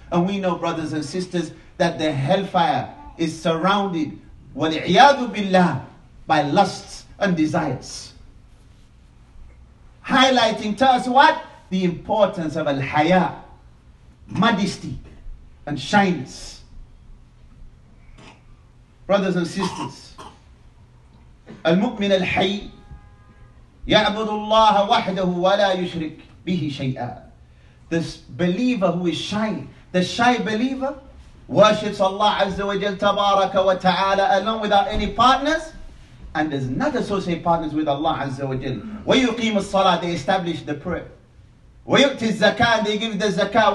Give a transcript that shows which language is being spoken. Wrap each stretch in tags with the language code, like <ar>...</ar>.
<en>And we know, brothers and sisters, that the hellfire is surrounded, wal-iyadu billah, by lusts and desires. Highlighting to us what? The importance of al-haya, modesty and shyness. Brothers and sisters,</en> <ar>المؤمن الحي يعبد الله وحده ولا يشرك به شيئا.</ar> <en>This believer who is shy, the shy believer, worships Allah</en> <ar>عز وجل تبارك وتعالى</ar> <en>alone without any partners, and does not associate partners with Allah عز وجل.</en> <ar>ويقيم الصلاة,</ar> <en>they establish the prayer.</en> <ar>ويؤتي الزكاة,</ar> <en>they give the zakah.</en>